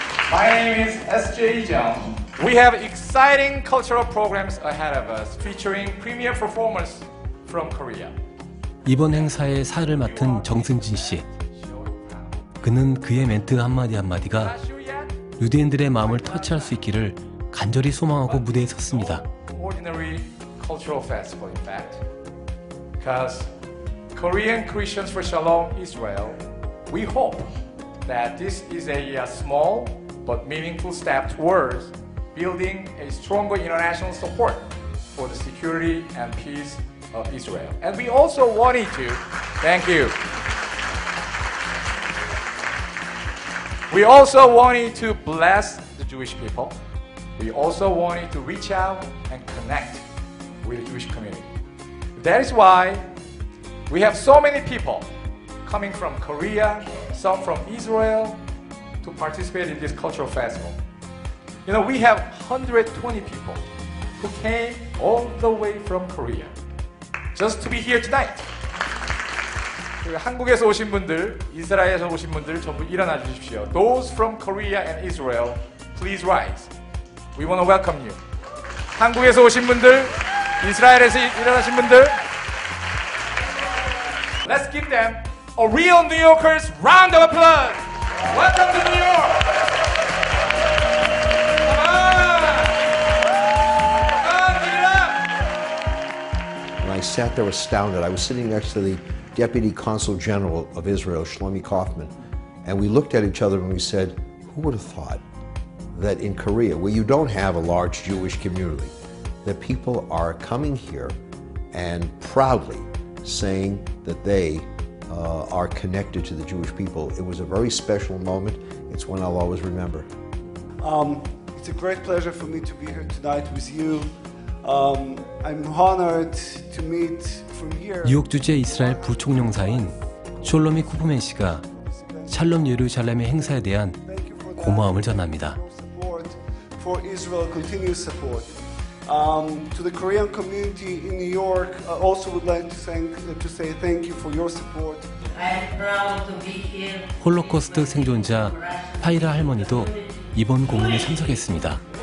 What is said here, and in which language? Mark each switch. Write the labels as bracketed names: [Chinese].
[English] My name is S.J. Jung. We have exciting cultural programs ahead of us featuring premier performers from Korea. [Korean] 이번 행사의 사회를 맡은 정승진 씨. 그는 그의 멘트 한마디 한마디가 유대인들의 마음을 터치할 수 있기를 간절히 소망하고 무대에 섰습니다. [English] Ordinary cultural festival, in fact. Because Korean Christians for Shalom Israel, we hope that this is a small, but meaningful step towards building a stronger international support for the security and peace of Israel. And we also wanted to, thank you. We also wanted to bless the Jewish people. We also wanted to reach out and connect with the Jewish community. That is why we have so many people coming from Korea, some from Israel, to participate in this cultural festival. You know, we have 120 people who came all the way from Korea just to be here tonight. [Korean] 한국에서 오신 분들, 이스라엘에서 오신 분들 전부 일어나 주십시오. [English] Those from Korea and Israel, please rise. We want to welcome you. 한국에서 오신 분들, 이스라엘에서 일어나신 분들. Let's give them a real New Yorkers round of applause. Welcome to New York! Come on! Come on, give it up! I sat there astounded. I was sitting next to the Deputy Consul General of Israel, Shlomi Kaufman, and we looked at each other and we said, who would have thought that in Korea, where you don't have a large Jewish community, that people are coming here and proudly saying that they are connected to the Jewish people. It was a very special moment. It's one I'll always remember. It's a great pleasure for me to be here tonight with you. I'm honored to meet from here. [Korean] 뉴욕 주재 이스라엘 부총영사인 숄로미 쿠프맨 씨가 샬롬 예루살렘의 행사에 대한 고마움을 전합니다. [English] For Israel continued support. To the Korean community in New York, I also would like to thank to say thank you for your support. I am proud to be here. [Korean] 홀로코스트 생존자 파이라 할머니도 이번 공연에 참석했습니다.